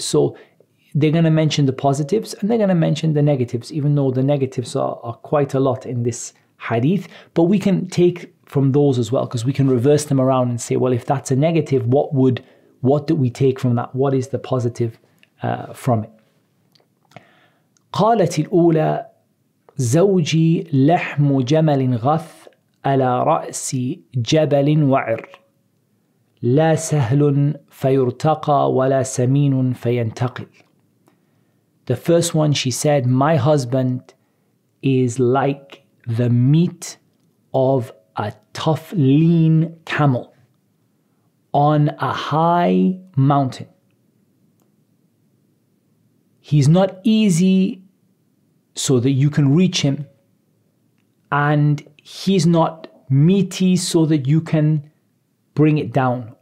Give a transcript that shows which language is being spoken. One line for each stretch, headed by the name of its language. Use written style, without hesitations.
English: So they're going to mention the positives and they're going to mention the negatives, even though the negatives are quite a lot in this hadith. But we can take from those as well, because we can reverse them around and say, well, if that's a negative, what do we take from that? What is the positive from it?
Arabic: قالت الأولى زوجي لحم جمل غث على رأس جبل وعر لا سهل فيرتقى ولا سمين فينتقل.
English: The first one, she said, my husband is like the meat of a tough, lean camel on a high mountain. He's not easy so that you can reach him, and he's not meaty so that you can bring it down.